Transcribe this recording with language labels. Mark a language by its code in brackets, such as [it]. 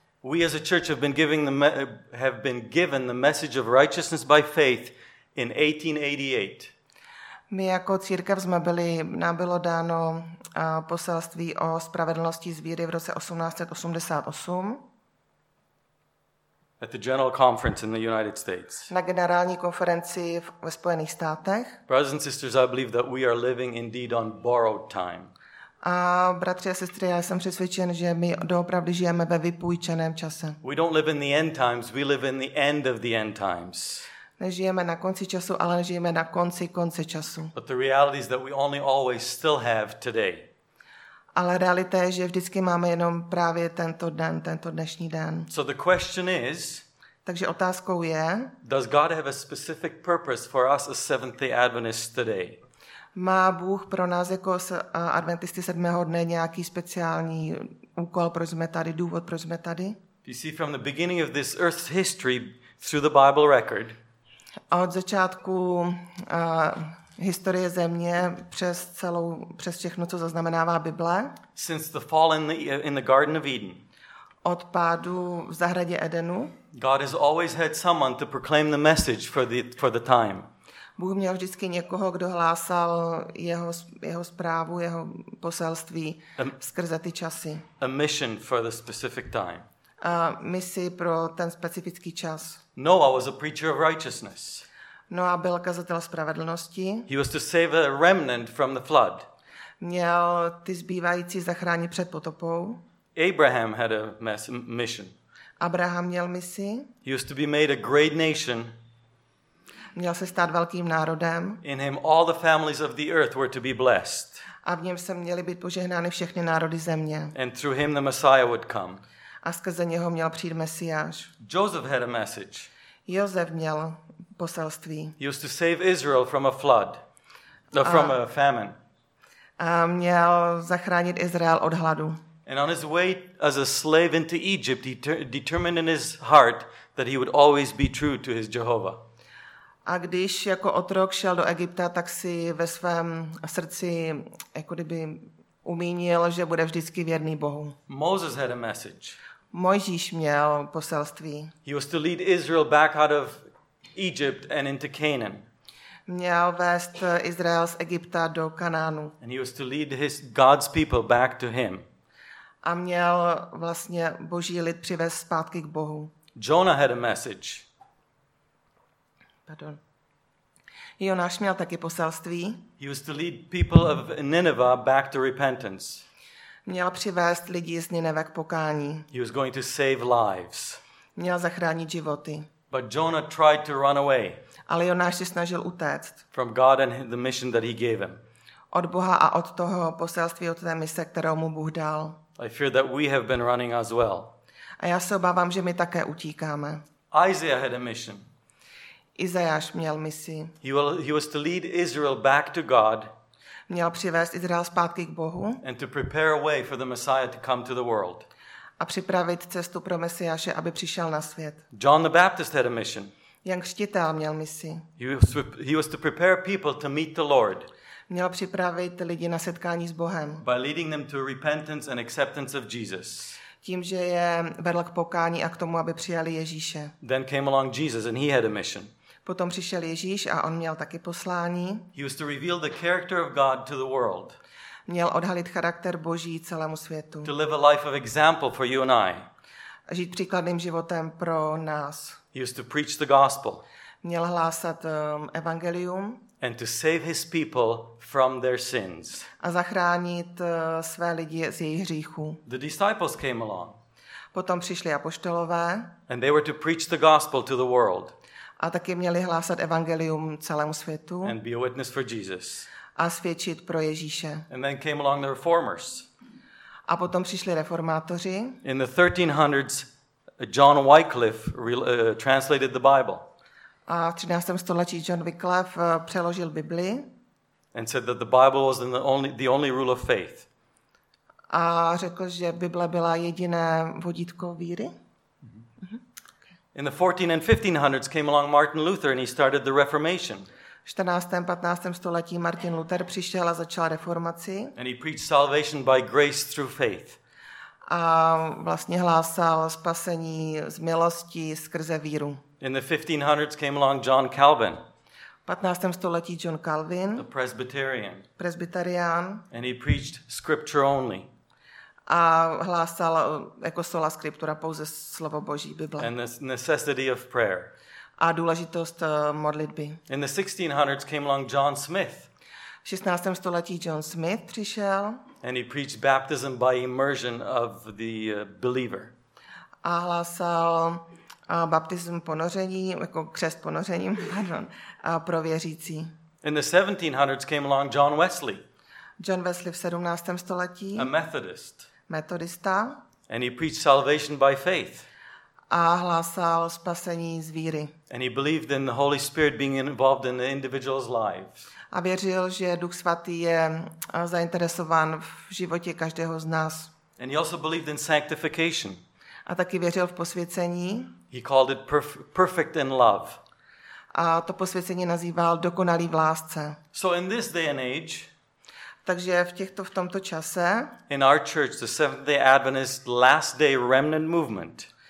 [en] We as a church have been given the message of righteousness by faith in 1888. [cs] My jako církev jsme byli, nám bylo dáno poselství o spravedlnosti z víry v roce 1888. [en] At the General Conference in the United States. [cs] Na generální konferenci ve Spojených státech. [en] Brothers and sisters, I believe that we are living indeed on borrowed time. [cs] A bratři a sestry, já jsem přesvědčen, že my doopravdy žijeme ve vypůjčeném čase. [en] We don't live in the end times, we live in the end of the end times. [cs] Nežijeme na konci času, ale žijeme na konci konce času. [en] But the reality is that we only always still have today. [cs] Ale realita je, že vždycky máme jenom právě tento den, tento dnešní den. [en] So the question is, [cs] takže otázkou je, [en] does God have a specific purpose for us as Seventh-day Adventists today? [cs] Má Bůh pro nás jako adventisty sedmého dne nějaký speciální úkol, proč jsme tady, důvod, proč jsme tady? [en] You see, from the beginning of this earth's history through the Bible record, [cs] od začátku historie země přes celou, přes všechno, co zaznamenává Bible. [en] Since the fall in the Garden of Eden. [cs] Od pádu v zahradě Edenu. [en] God has always had someone to proclaim the message for the time. [cs] Bůh měl vždycky někoho, kdo hlásal jeho zprávu, jeho poselství skrze ty časy. [en] A mission for the specific time. [cs] A misi pro ten specifický čas. [en] Noah was a preacher of righteousness. [cs] Noah byl kazatel spravedlnosti. [en] He was to save a remnant from the flood. [cs] Měl ty zbývající zachránit před potopou. [en] Abraham had a mission. [cs] Abraham měl misi. [en] He was to be made a great nation. [cs] Měl se stát velkým národem. [en] In him all the families of the earth were to be blessed. [cs] A v něm se měly být požehnány všechny národy země. [en] And through him the Messiah would come. [cs] A skrze něho měl přijít Mesiáš. [en] Joseph had a message. [cs] Josef měl poselství. [en] He was to save Israel from a flood. From a famine. [cs] A měl zachránit Izrael od hladu. [en] And on his way as a slave into Egypt, he determined in his heart that he would always be true to his Jehovah. [cs] A když jako otrok šel do Egypta, tak si ve svém srdci jako kdyby umínil, že bude vždycky věrný Bohu. [en] Moses had a message. [cs] Mojžíš měl poselství. [en] He was to lead Israel back out of Egypt and into Canaan. [cs] Měl vést Izrael z Egypta do Kanánu. [en] And he was to lead his God's people back to him. [cs] A měl vlastně Boží lid přivést zpátky k Bohu. [en] Jonah had a message. [cs] Pardon. Jonáš měl taky poselství. [en] He was to lead people of Nineveh back to repentance. [cs] Měl přivést lidi z Nineve k pokání. [en] He was going to save lives. [cs] Měl zachránit životy. [en] But Jonah tried to run away. [cs] Ale Jonáš se snažil utéct. [en] From God and the mission that he gave him. [cs] Od Boha a od toho poselství, od té mise, kterou mu Bůh dal. [en] I fear that we have been running as well. [cs] A já se obávám, že my také utíkáme. [en] Isaiah had a mission. [cs] Izajáš měl misi. [en] He was to lead Israel back to God. [cs] Měl přivést Izrael zpátky k Bohu. [en] And to prepare a way for the Messiah to come to the world. [cs] A připravit cestu pro Mesiáše, aby přišel na svět. [en] John the Baptist had a mission. [cs] Jan Křtitel měl misi. [en] He was to prepare people to meet the Lord. [cs] Měl připravit lidi na setkání s Bohem. [en] By leading them to repentance and acceptance of Jesus. [cs] Tím, že je vedl k pokání a k tomu, aby přijali Ježíše. [en] Then came along Jesus and he had a mission. [cs] Potom přišel Ježíš a on měl taky poslání. [en] He was to reveal the character of God to the world. [cs] Měl odhalit charakter Boží celému světu. [en] To live a life of example for you and I. [cs] Žít příkladným životem pro nás. [en] He was to preach the gospel. [cs] Měl hlásat evangelium. [en] And to save his people from their sins. [cs] A zachránit své lidi z jejich hříchů. [en] The disciples came along. [cs] Potom přišli apoštolové. [en] And they were to preach the gospel to the world. [cs] a taky měli hlásat evangelium celému světu [en] and be a witness for Jesus. [cs] A svědčit pro Ježíše. [en] And then came along the reformers. [cs] A potom přišli reformátoři. [en] In the 1300s, John Wycliffe translated the Bible. [cs] A v 13. století John Wycliffe přeložil Bibli. [en] And said that the Bible was the only rule of faith. [cs] A řekl, že Bible byla jediné vodítko víry. [en] In the 14 and 1500s came along Martin Luther and he started the Reformation. [cs] V 14. 15. století Martin Luther přišel a začal reformaci. [en] And he preached salvation by grace through faith. [cs] A vlastně hlásal spasení z milosti skrze víru. [en] In the 1500s came along John Calvin. [cs] V 15. století John Calvin. [en] The Presbyterian. [cs] Presbyterian. [en] And he preached scripture only. [cs] A hlásal jako sola scriptura, pouze slovo Boží, Bible. [en] And the necessity of prayer. [cs] A důležitost modlitby. [en] In the 1600s came along John Smith. [cs] V 16. století John Smith přišel. [en] And he preached baptism by immersion of the believer. [cs] A hlásal baptism ponoření, jako křest ponořením, pro věřící. [en] In the 1700s came along John Wesley. [cs] John Wesley v 17. století. [en] A Methodist. [cs] Metodista. [en] And he preached salvation by faith. [cs] A hlásal spasení z víry. [en] And he believed in the Holy Spirit being involved in the individual's lives. [cs] A věřil, že Duch svatý je zainteresován v životě každého z nás. [en] And he also believed in sanctification. [cs] A taky věřil v posvěcení. [en] He called it perfect in love. [cs] A to posvěcení nazýval dokonalý v lásce. [en] So in this day and age. [cs] Takže v tomto čase. [en] In our church, the Seventh-day Adventist Last Day Remnant Movement.